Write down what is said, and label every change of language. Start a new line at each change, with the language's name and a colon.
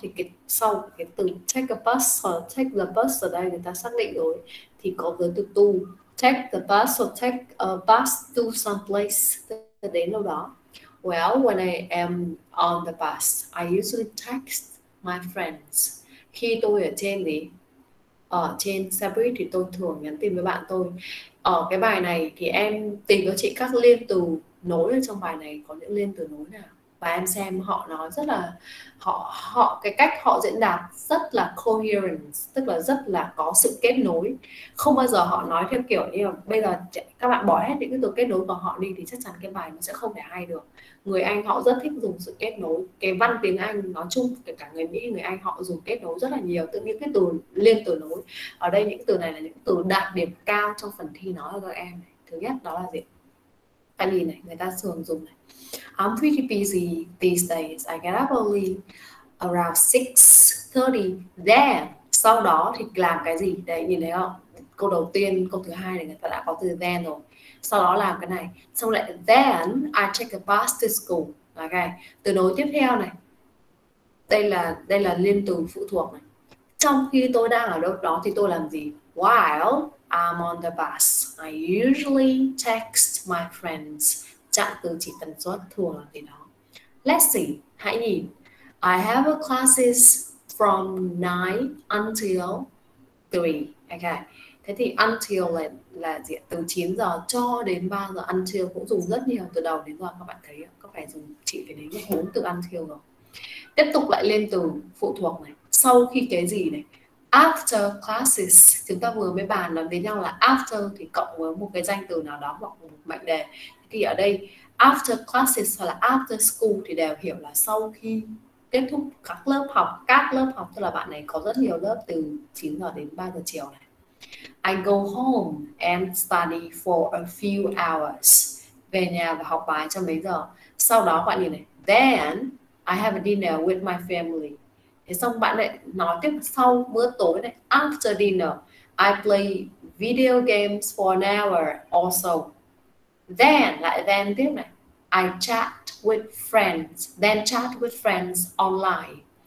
Vietnamese: Thì sau cái từ
English: take a bus or take the bus
Vietnamese: ở đây người ta xác định rồi. Thì có cái từ to.
English: Take the bus or take a bus to some place.
Vietnamese: Tức là đến đâu đó.
English: Well, when I am on the bus, I usually text my friends.
Vietnamese: Khi tôi ở trên thì ở trên xe buýt thì tôi thường nhắn tin với bạn tôi. Ở cái bài này thì em tìm cho chị các liên từ nối ở trong bài này có những liên từ nối nào, và em xem họ nói rất là họ cái cách họ diễn đạt rất là coherence, tức là rất là có sự kết nối, không bao giờ họ nói theo kiểu như bây giờ các bạn bỏ hết những cái từ kết nối của họ đi thì chắc chắn cái bài nó sẽ không thể hay được. Người Anh họ rất thích dùng sự kết nối, cái văn tiếng Anh nói chung, kể cả người Mỹ, người Anh họ dùng kết nối rất là nhiều, tự nhiên cái từ liên từ nối ở đây, những từ này là những từ đạt điểm cao trong phần thi nói của các em. Thứ nhất đó là gì, tại vì này người ta thường dùng này.
English: I'm pretty busy these days. I get up only around 6:30.
Vietnamese: Then, sau đó thì làm cái gì? Đấy, nhìn thấy không? Câu đầu tiên, câu thứ hai này người ta đã có từ then rồi. Sau đó làm cái này. Xong lại,
English: then I take a bus to school.
Vietnamese: Okay. Từ nối tiếp theo này. Đây là liên từ phụ thuộc này. Trong khi tôi đang ở đâu đó thì tôi làm gì?
English: While I'm on the bus, I usually text my friends.
Vietnamese: Trạng từ chỉ tần suất, thường là gì đó.
English: Let's see,
Vietnamese: hãy nhìn.
English: I have a classes from 9 until 3. Okay.
Vietnamese: Thế thì until là gì? Từ 9 giờ cho đến 3 giờ. Until cũng dùng rất nhiều từ đầu đến giờ. Các bạn thấy có phải dùng chỉ phải đến 4 từ until rồi. Tiếp tục lại lên từ phụ thuộc này. Sau khi cái gì này?
English: After classes,
Vietnamese: chúng ta vừa mới bàn làm với nhau là after thì cộng với một cái danh từ nào đó hoặc một mệnh đề. Thì ở đây
English: after classes
Vietnamese: hoặc là
English: after school
Vietnamese: thì đều hiểu là sau khi kết thúc các lớp học, tức là bạn này có rất nhiều lớp từ 9 giờ đến 3 giờ chiều này.
English: I go home and study for a few hours.
Vietnamese: Về nhà và học bài cho mấy giờ. Sau đó bạn nhìn này,
English: then I have a dinner with my family.
Vietnamese: Thế xong bạn lại nói tiếp sau bữa tối này,
English: after dinner I play video games for an hour also. Then,
Vietnamese: lại then tiếp này,
English: I chat with friends, then chat with friends online.